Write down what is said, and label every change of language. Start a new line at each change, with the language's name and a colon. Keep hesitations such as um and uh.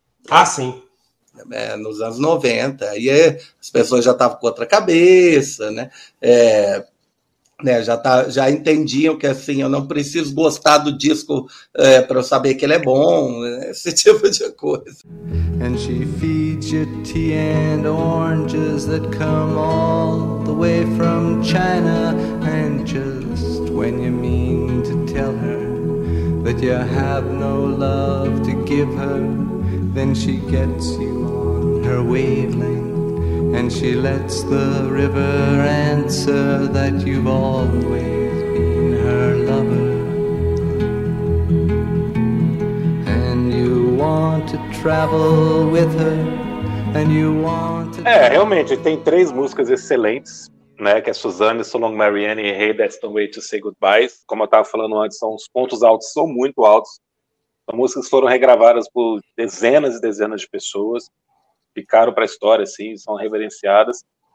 Portuguese: Ah, sim. É, nos anos 90. Aí as pessoas já estavam com outra cabeça, né? É, né, já, tá, já entendiam que assim, eu não preciso gostar do disco é, para eu saber que ele é bom, né, esse tipo de coisa.
English: And she feeds you tea and oranges that come all the way from China. And just when you mean to tell her that you have no love to give her, then she gets you on her wavelength. and she lets the river answer that you've always been her lover. And you want to travel with her, and you want to.
Portuguese: É, realmente, tem três músicas excelentes. Né, que é Suzanne, So Long Marianne e Hey, That's the Way to Say Goodbye. Como eu estava falando antes, são os pontos altos, são muito altos. São músicas que foram regravadas por dezenas e dezenas de pessoas ficaram para a história, assim, são reverenciadas.